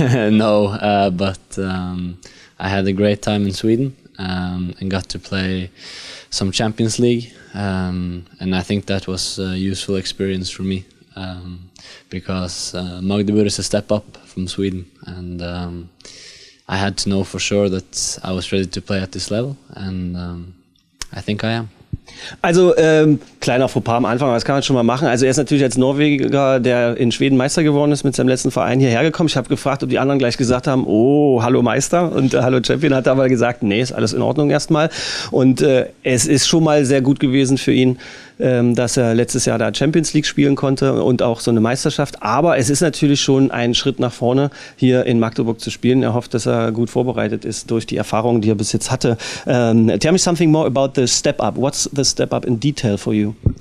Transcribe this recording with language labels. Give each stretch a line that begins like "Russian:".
English: No, but I had a great time in Sweden and got to play some Champions League. And I think that was a useful experience for me. Because Magdeburg is a step up from Sweden and I had to know for sure that I was ready to play at this level and I think I am.
German: Also, kleiner Fauxpas am Anfang, aber das kann man schon mal machen. Also er ist natürlich als Norweger, der in Schweden Meister geworden ist, mit seinem letzten Verein hierher gekommen. Ich habe gefragt, ob die anderen gleich gesagt haben, oh, hallo Meister und hallo Champion, hat aber gesagt, nee, ist alles in Ordnung erstmal. Und es ist schon mal sehr gut gewesen für ihn, dass er letztes Jahr da Champions League spielen konnte und auch so eine Meisterschaft. Aber es ist natürlich schon ein Schritt nach vorne, hier in Magdeburg zu spielen. Er hofft, dass er gut vorbereitet ist durch die Erfahrungen, die er bis jetzt hatte.
English: Tell me something more about the step up. What's the step up in detail for you?